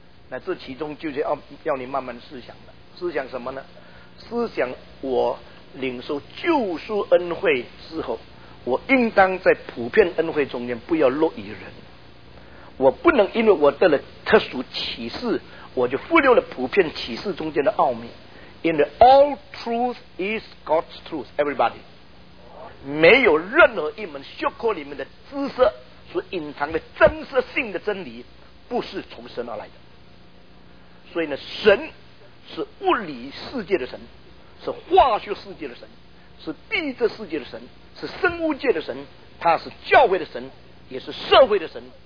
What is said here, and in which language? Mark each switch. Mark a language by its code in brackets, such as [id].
[zh] 那这其中就是 要你慢慢思想的。思想什么呢？思想我领受救赎恩惠之后，我应当在普遍恩惠中间不要落于人。我不能因为我得了特殊启示，我就忽略了普遍启示中间的奥秘。 [en] 因为 all truth is God's truth, everybody. [zh] 没有任何一门学科里面的知识所隐藏的真实性的真理不是从神而来的。所以呢，神是物理世界的神，是化学世界的神，是地质世界的神，是生物界的神，他是教会的神，也是社会的神，